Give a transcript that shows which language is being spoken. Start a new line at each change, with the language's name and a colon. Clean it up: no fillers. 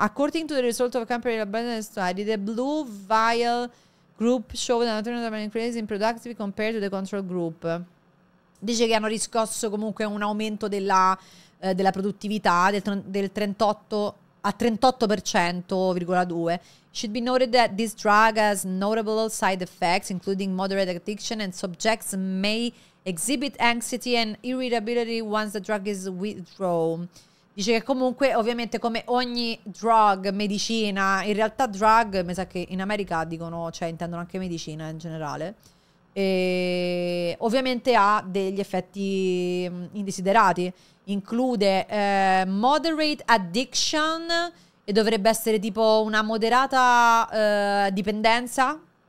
English: According to the result of a comparative study, the blue vial group showed an increase in productivity compared to the control group.
Italian: Dice che hanno riscosso comunque un aumento della produttività del 38,2%.
English: Should be noted that this drug has notable side effects, including moderate addiction, and subjects may exhibit anxiety and irritability once the drug is withdrawn.
Italian: Dice che comunque, ovviamente, come ogni drug, medicina, in realtà drug, mi sa che in America dicono, cioè intendono anche medicina in generale, e ovviamente ha degli effetti indesiderati.
English: Include moderate addiction,
Italian: e dovrebbe essere tipo una moderata dipendenza.